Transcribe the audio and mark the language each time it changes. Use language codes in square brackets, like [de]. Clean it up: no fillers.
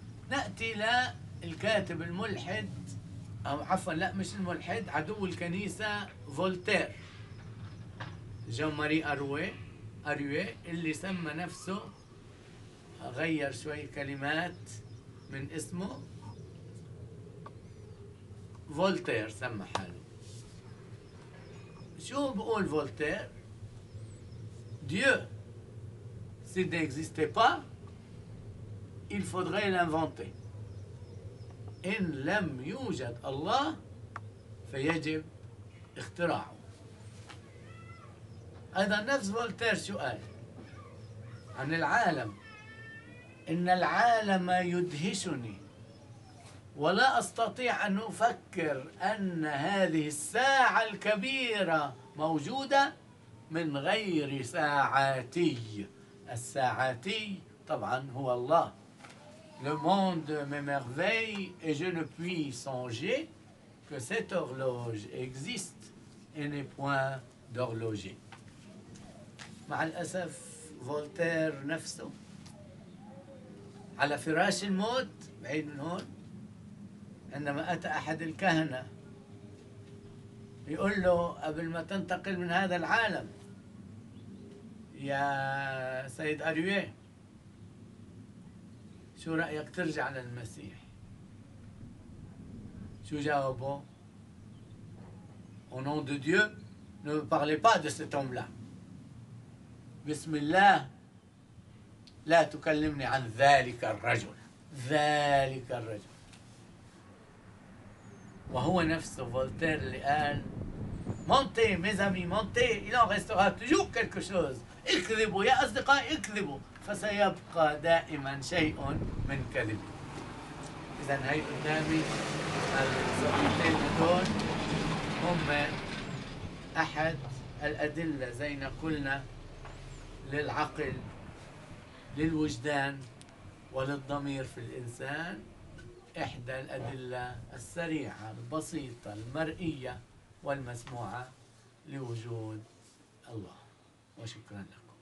[ar] نأتي للكاتب الملحد، أو عفوا لا مش الملحد، عدو الكنيسة فولتير، جون ماري أروي اللي سمى نفسه، غير شوي كلمات من اسمه، فولتير سمى حاله. شو بقول فولتير؟ [fr] Dieu, s'il n'existait pas, il faudrait l'inventer. [ar] إن لم يوجد الله فيجب اختراعه. أيضا نفس فولتير سؤال عن العالم، إن العالم يدهشني ولا أستطيع أن أفكر أن هذه الساعة الكبيرة موجودة من غير ساعتي. الساعتي طبعا هو الله. [fr] Le monde m'émerveille et je ne puis songer que cette horloge existe et n'est point d'horloger. [ar] مع الأسف فولتير نفسه على فراش الموت بعيد من هون، عندما أتى أحد الكهنة يقول له قبل ما تنتقل من هذا العالم، يا سيد أريوي شو رأيك ترجع للمسيح؟ شو جاوبه؟ [fr] Au nom de Dieu, ne me parlez pas de cet homme-là. [ar] بسم الله لا تكلمني عن ذلك الرجل. ذلك الرجل. وهو نفسه فولتير اللي قال مونتي [fr] mes amis, [ar] مونتي [fr] il en restera toujours quelque chose. [ar] اكذبوا يا أصدقائي اكذبوا، فسيبقى دائما شيء من كذبي. إذا هاي قدامي الزوجتين دول هم أحد الأدلة زي ما قلنا للعقل للوجدان وللضمير في الإنسان، إحدى الأدلة السريعة البسيطة المرئية والمسموعة لوجود الله. وشكرا لكم.